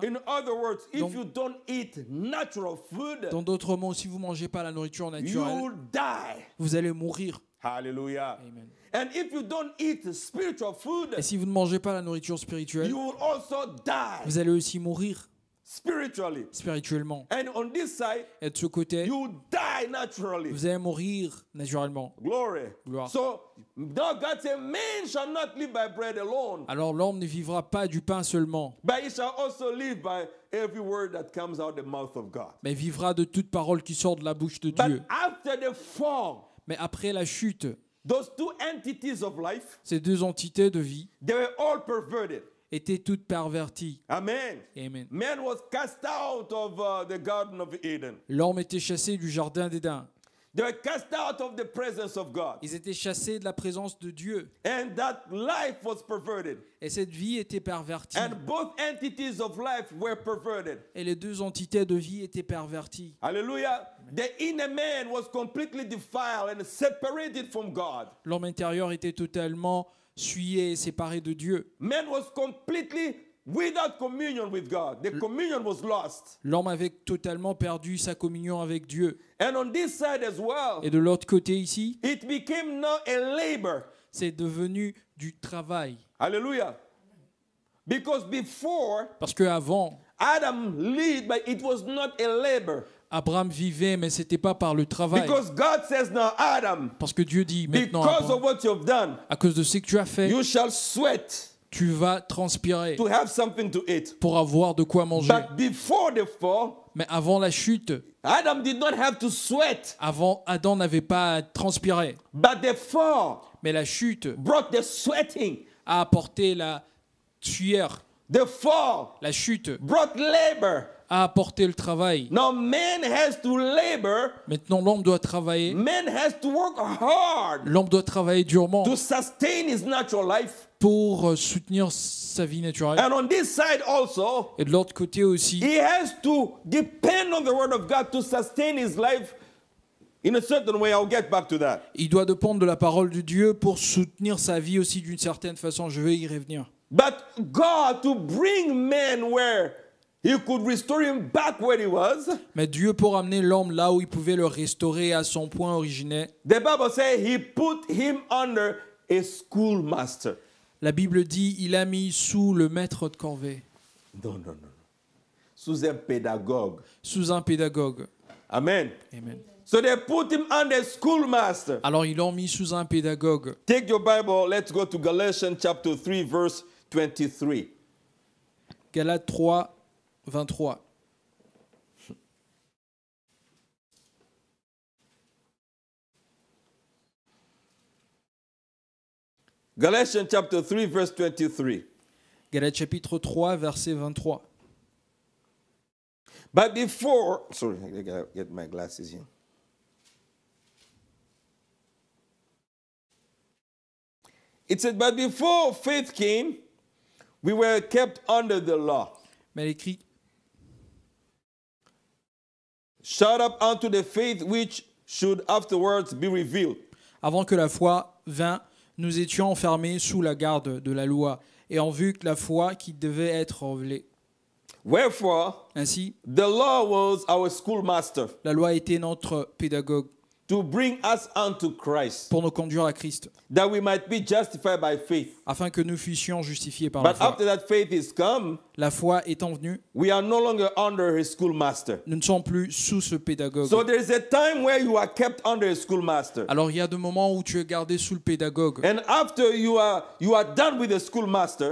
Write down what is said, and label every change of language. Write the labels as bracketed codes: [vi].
[en] in other words, if you don't eat natural food, [fr] dans d'autres mots, si vous ne mangez pas la nourriture naturelle, [en] you will die. [fr] Vous allez mourir. Alléluia. [en] Amen. And if you don't eat spiritual food, [fr] et si vous ne mangez pas la nourriture spirituelle, [en] you will also die. [fr] Vous allez aussi mourir [en] spiritually. [fr] Spirituellement. [en] And on this side, [fr] et de ce côté, [en] you die naturally. [fr] Vous allez mourir naturellement. [en] Glory. [fr] Gloire. [en] So now God said, man shall not live by bread alone. [fr] Alors l'homme ne vivra pas du pain seulement. [en] But he shall also live by every word that comes out the mouth of God. [fr] Mais vivra de toute parole qui sort de la bouche de [en] but [fr] Dieu. [en] After the fall, [fr] mais après la chute, [en] those two entities of life, [fr] ces deux entités de vie, [en] they were all perverted, [fr] étaient toutes perverties. [en] Amen. [fr] Amen. [en] Man was cast out of the garden of Eden. [fr] L'homme était chassé du jardin d'Éden. [en] They were cast out of the presence of God. [fr] Ils étaient chassés de la présence de Dieu. [en] And that life was perverted. [fr] Et cette vie était pervertie. [en] And both entities of life were perverted. [fr] Et les deux entités de vie étaient perverties. Alléluia. [en] The inner man was completely defiled and separated from God. [fr] L'homme intérieur était totalement souillé et séparé de Dieu. [en] Man was completely without communion with God. The communion was lost. [fr] L'homme avait totalement perdu sa communion avec Dieu. [en] And on this side as well, [fr] et de l'autre côté ici, [en] it became now a labor. [fr] C'est devenu du travail. [en] Hallelujah. Because before, [fr] parce que avant, [en] Adam lived, but it was not a labor. [fr] Abraham vivait, mais c'était pas par le travail. [en] Because God says now, Adam, [fr] parce que Dieu dit maintenant, [en] because [fr] Abraham, [en] of what you've done, [fr] à cause de ce que tu as fait, [en] you shall sweat. [fr] Tu vas transpirer [en] to have something to eat. [fr] Pour avoir de quoi manger. [en] But before the fall, [fr] mais avant la chute, [en] Adam did not have to sweat. [fr] Avant, Adam n'avait pas à transpirer. [en] But the fall, [fr] mais la chute, [en] brought the sweating, [fr] a apporté la sueur. [en] The fall, [fr] la chute, [en] brought labor, [fr] a apporté le travail. [en] Now man has to labor. [fr] Maintenant, l'homme doit travailler. [en] Man has to work hard. [fr] L'homme doit travailler durement. [en] To sustain his natural life. [fr] Pour soutenir sa vie naturelle. [en] And on this side also, [fr] et de l'autre côté aussi, [en] he has to depend on the word of God to sustain his life in a certain way. I'll get back to that. [fr] Il doit dépendre de la parole de Dieu pour soutenir sa vie aussi d'une certaine façon. Je vais y revenir. [en] But God to bring man where he could restore him back where he was. [fr] Mais Dieu pour amener l'homme là où il pouvait le restaurer à son point originel. [en] The Bible says he put him under a schoolmaster. [fr] La Bible dit, il a mis sous le maître de corvée. Non. Sous un pédagogue. [en] Amen. So they put him under schoolmaster. [fr] Alors ils l'ont mis sous un pédagogue. [en] Take your Bible, let's go to Galatians chapter 3 verse 23. [fr] Galates 3 23. [en] Galatians chapter 3 verse 23. [fr] Galates chapitre 3 verset 23. [en] But before, sorry, I gotta get my glasses in. It said, but before faith came, we were kept under the law. [fr] Mais écrit, [en] shut up unto the faith which should afterwards be revealed. [fr] Avant que la foi vînt, nous étions enfermés sous la garde de la loi, et en vue que la foi qui devait être révélée. [en] Wherefore, [fr] ainsi, [en] the law was our schoolmaster. [fr] La loi était notre pédagogue. [en] To bring us unto Christ, [fr] pour nous conduire à Christ, [en] that we might be justified by faith, [fr] afin que nous fussions justifiés par [en] but [fr] la foi. [en] But after that faith is come, [fr] la foi étant venue, [en] we are no longer under his schoolmaster. [fr] Nous ne sommes plus sous ce pédagogue. [en] So there is a time where you are kept under a schoolmaster. [fr] Alors il y a des moments où tu es gardé sous le pédagogue. [en] And after you are done with the schoolmaster,